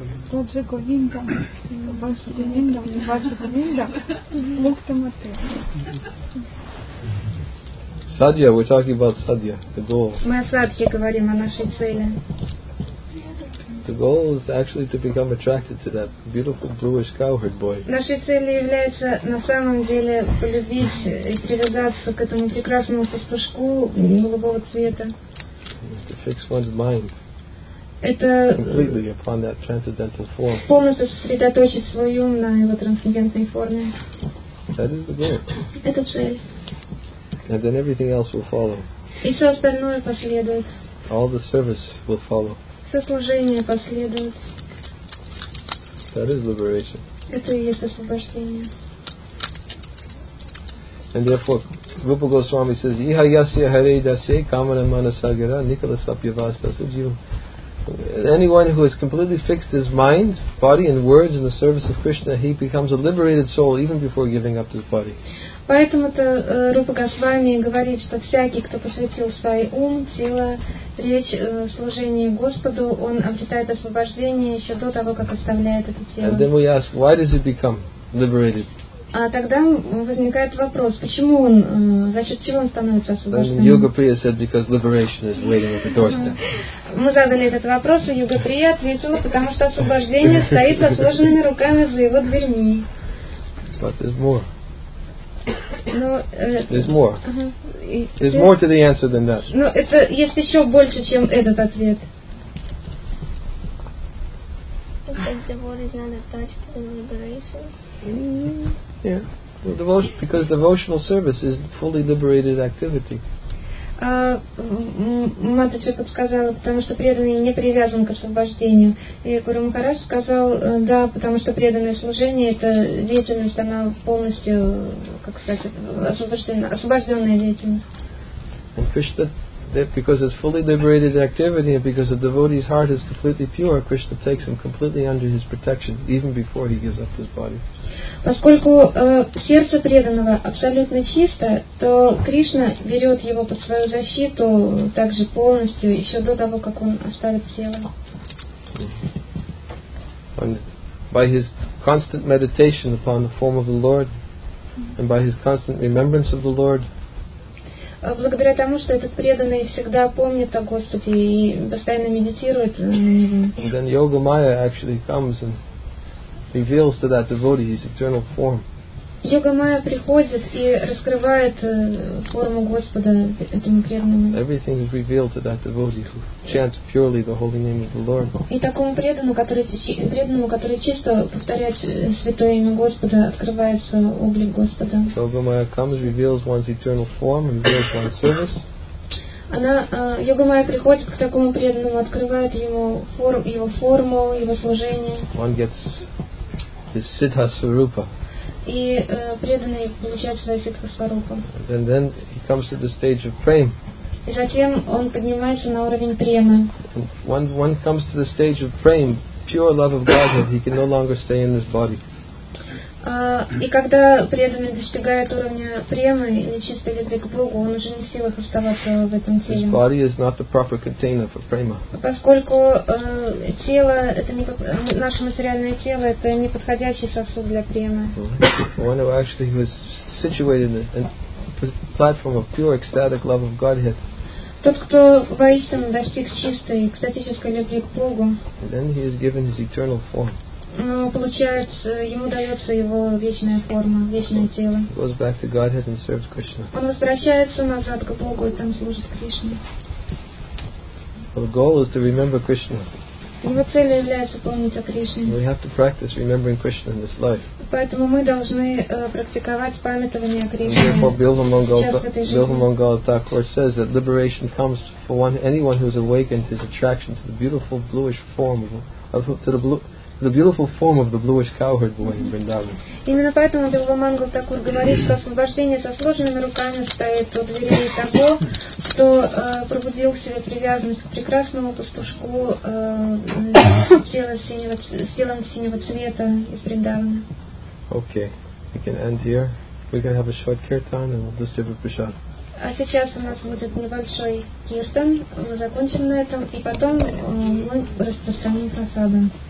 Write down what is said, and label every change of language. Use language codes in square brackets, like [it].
[sa] Боже Говинда, Ваше Говинда, Ваше Говинда, Мухта Мате. [en] Садья, we're talking about садья, the goal. [ru] Мы о садхе говорим, о нашей цели. [en] The goal is actually to become attracted to that beautiful bluish cowherd boy. [ru] Нашей целью является на самом деле полюбить и привязаться к этому прекрасному пастушку голубого цвета. [en] To fix one's mind. [ru] Это [en] completely upon that transcendental form. [ru] Полностью сосредоточить свой ум на его трансцендентной форме. [en] That is the goal. [ru] Это цель. [en] And then everything else will follow. [ru] И все остальное последует. [en] All the service will follow. [ru] Служение последует. [en] That is liberation. [ru] Это и есть освобождение. [en] And therefore, Rupa Goswami says, [sa] Iha yasya hare dasya kamana manasagira nikala sapyavastasajiva. [en] Anyone who has completely fixed his mind, body and words in the service of Krishna, he becomes a liberated soul even before giving up his body. [ru] Поэтому-то Рупа Госвами говорит, что всякий, кто посвятил свой ум, тело, речь служение Господу, он обретает освобождение еще до того, как оставляет это тело. [en] And then we ask, why does he become liberated? [ru] А тогда возникает вопрос, почему он, за счет чего он становится освобожденным? [en] Yoga Priya said, because liberation is waiting at the doorstep. [ru] Мы задали этот вопрос, и Yoga Priya ответила, потому что освобождение стоит со сложенными руками за его дверьми. [en] But there's more. There's more. Uh-huh. There's more to the answer than that. [ru] Но это есть еще больше, чем этот ответ. [en] Well, devotion, because devotional service is fully liberated activity. [ru] Матаджи подсказала, потому что преданный не привязан к освобождению. И Гуру Махарадж сказал, да, потому что преданное служение — это деятельность, она полностью, как сказать, освобожденная деятельность. [en] And Krishna, because it's fully liberated activity, and because the devotee's heart is completely pure, Krishna takes him completely under his protection even before he gives up his body. [ru] Поскольку сердце преданного абсолютно чисто, то Кришна берет его под свою защиту также полностью еще до того, как он оставит тело. [en] And by his constant meditation upon the form of the Lord, and by his constant remembrance of the Lord, [ru] благодаря тому, что этот преданный всегда помнит о Господе и постоянно медитирует на Него. [en] And then Yoga Maya actually comes and reveals to that devotee his eternal form. [ru] Йога Майя приходит и раскрывает форму Господа этому преданному. [en] Everything is revealed to that devotee who chants purely the holy name of the Lord. [ru] И такому преданному, который чисто повторяет святое имя Господа, открывается облик Господа. [en] Йога Майя comes, reveals one's eternal form, reveals one's service. [ru] Она, Йога Майя приходит к такому преданному, открывает ему его форму, его служение. [en] One gets his siddha swarupa. [ru] И преданный получает свое ситхасварупа. [en] And then he comes to the stage of prema. [ru] И затем он поднимается на уровень према. [en] One comes to the stage of prema, pure love of Godhead, he can no longer stay in this body. [ru] И когда преданный достигает уровня премы, нечистой любви к Богу, он уже не в силах оставаться в этом теле. [en] His body is not the proper container for prema. [ru] Поскольку тело, это не наше материальное тело, это не подходящий сосуд для премы. [en] One who actually was situated in a platform of pure ecstatic love of Godhead. [ru] Тот, кто воистину достиг чистой экстатической любви к Богу. [en] And then he is given his eternal form. [ru] Ему дается его вечная форма, вечное тело. [en] He goes back to Godhead and serves Krishna. [ru] Он возвращается назад к Богу и там служит Кришне. [en] Well, the goal is to remember Krishna. [ru] Его целью является помнить о Кришне. [en] We have to practice remembering Krishna in this life. [ru] Поэтому мы должны практиковать памятование о Кришне. [en] Bilva Mangala Thakur says that liberation comes for anyone who has awakened his attraction to the beautiful bluish form the beautiful form of the bluish cowherd boy in Vrindavan. [ru] Именно поэтому Бхилва Мангала Такур говорит, что освобождение со сложенными руками стоит у дверей того, кто пробудил в себе привязанность к прекрасному пастушку с телом синего цвета из Вриндавана. [en] Okay, we can end here. We can have a short kirtan and we'll distribute prasad. [ru] А сейчас у нас будет небольшой киртан. Мы закончим на этом, и потом мы распространим прасадом.